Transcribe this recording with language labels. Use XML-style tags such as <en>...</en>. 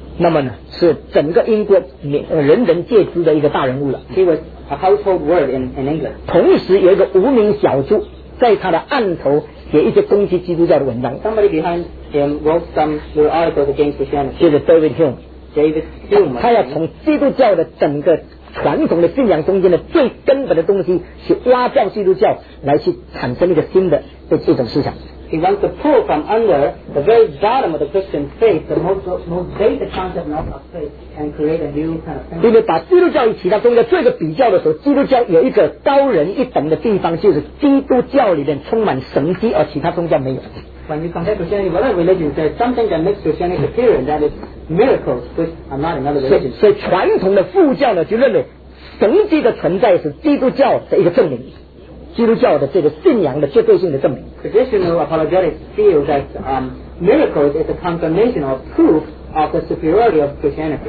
<zh>那么呢，是整个英国人人皆知的一个大人物了。</zh> <en>He was a household word in England.</en> <zh>同时，有一个无名小卒在他的案头写一些攻击基督教的文章。</zh> <en>Somebody behind him wrote some little articles against Christianity.</en> <zh>就是 David Hume.</zh> <en>David Hume.</en> <zh>他要从基督教的整个传统的信仰中间的最根本的东西去挖掉基督教来去产生一个新的这种思想。</zh> <en>He wants to pull from under the very bottom of the Christian faith, the most basic concept of faith, and create a new kind of thing.</en> <zh>因为把基督教与其他宗教做一个比较的时候，基督教有一个高人一等的地方，就是基督教里面充满神迹，而其他宗教没有。</zh> <en>When you compare Christianity with other religions, there's something that makes Christianity appear, and that is miracles, which are not in other religions.</en> <zh>所以传统的副教呢，就认为神迹的存在是基督教的一个证明。基督教的这个信仰的绝对性的证明。</zh> <en>Traditional apologetics feel that miracles is a confirmation or proof of the superiority of Christianity.</en>